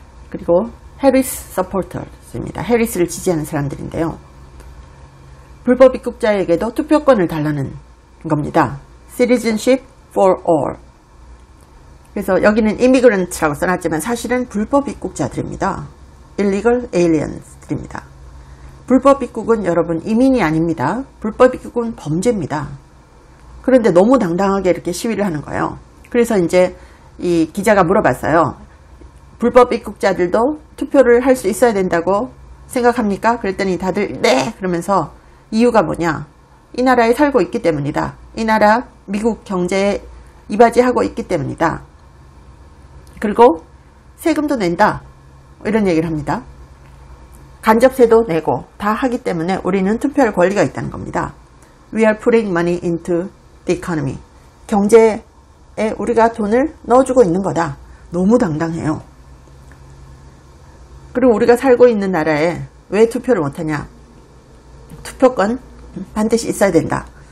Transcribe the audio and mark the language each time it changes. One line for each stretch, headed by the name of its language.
Korean: 그리고 해리스 서포터스입니다. 해리스를 지지하는 사람들인데요. 불법 입국자에게도 투표권을 달라는 겁니다.
English: Citizenship for all.
Korean: 그래서 여기는 immigrant라고 써놨지만 사실은 불법 입국자들입니다. Illegal Aliens들입니다. 불법 입국은 여러분 이민이 아닙니다. 불법 입국은 범죄입니다. 그런데 너무 당당하게 이렇게 시위를 하는 거예요. 그래서 이제 이 기자가 물어봤어요. 불법 입국자들도 투표를 할 수 있어야 된다고 생각합니까? 그랬더니 다들 네! 그러면서 이유가 뭐냐? 이 나라에 살고 있기 때문이다. 이 나라 미국 경제에 이바지하고 있기 때문이다. 그리고 세금도 낸다. 이런 얘기를 합니다. 간접세도 내고 다 하기 때문에 우리는 투표할 권리가 있다는 겁니다.
English: We are putting money into the economy.
Korean: 경제에 우리가 돈을 넣어주고 있는 거다. 너무 당당해요. 그리고 우리가 살고 있는 나라에 왜 투표를 못하냐. 투표권 반드시 있어야 된다.